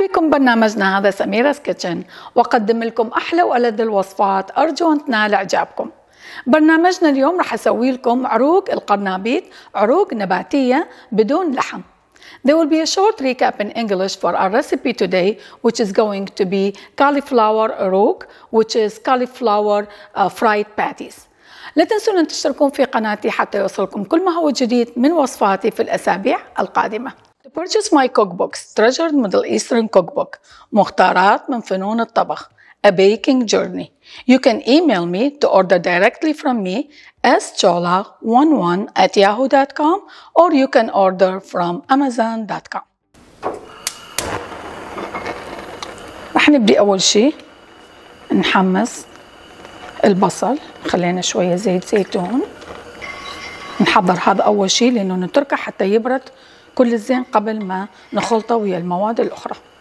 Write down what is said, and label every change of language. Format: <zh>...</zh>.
<ar>برنامجنا هذا سميرس كيتشن، وقدم لكم أحلى وألذ الوصفات، أرجو أن تنال إعجابكم. برنامجنا اليوم رح أسوي لكم عروق القرنابيط، عروق نباتية بدون لحم.</ar> <en>There will be a short recap in English for our recipe today, which is going to be cauliflower arug, which is cauliflower fried patties.</en> <ar>لا تنسون أن تشتركون في قناتي حتى يوصلكم كل ما هو جديد من وصفاتي في الأسابيع القادمة.</ar> <en>To purchase my cookbooks, Treasured Middle Eastern Cookbook, مختارات من فنون الطبخ, A Baking Journey, you can email me to order directly from me, schola11@yahoo.com, or you can order from amazon.com.</en> <ar>رح نبدي أول شيء نحمص البصل. خلينا شوية زيت زيتون نحضر هذا أول شيء لأنه نتركه حتى يبرد كل الزين قبل ما نخلطه ويا المواد الأخرى.</ar>